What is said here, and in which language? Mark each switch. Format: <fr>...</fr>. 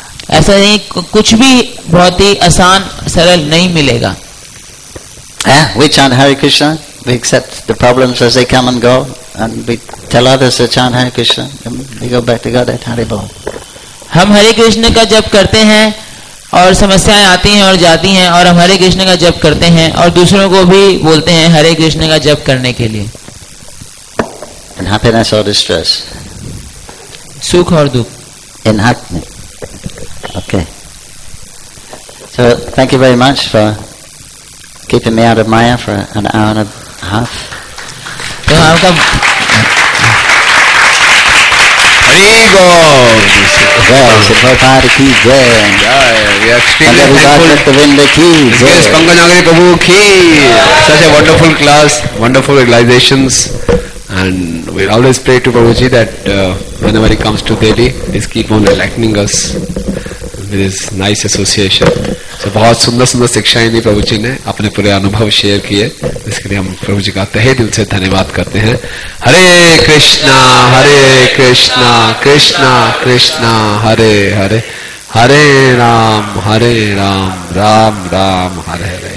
<hi>ऐसा नहीं कुछ भी बहुत ही आसान सरल नहीं मिलेगा.</hi> <en>We chant Hare Krishna, we accept the problems as they come and go, and we tell others to chant Hare Krishna, and we go back to God at Hare Bol.</en> <hi>हम हरे कृष्ण का जप करते हैं और समस्याएं आती हैं और जाती हैं, और हम हरे कृष्ण का जप करते हैं और दूसरों को भी बोलते हैं हरे कृष्ण का जप करने के लिए.</hi> <en>In happiness or distress.</en> <hi>Sukh or dukh.</hi> <en>In happiness. Okay. So thank you very much for keeping me out of Maya for an hour and a half. Hare Gaur. Yes, the Prabhupada</en> <hi>ki jai.</hi> <en>Yeah, we are extremely thankful. Yes, Panganagari Prabhu ki. Such a wonderful class, wonderful realizations. And we always pray to Prabhuji that whenever he comes to Delhi, please keep on enlightening us with his nice association.</en> <hi>So, बहुत सुंदर सुंदर शिक्षाएं दी प्रभुजी ने, अपने पूरे अनुभव share किए, इसके लिए हम प्रभुजी का तहे दिल से धन्यवाद करते हैं. हरे कृष्णा कृष्णा कृष्णा हरे हरे, हरे राम राम राम हरे हरे.</hi>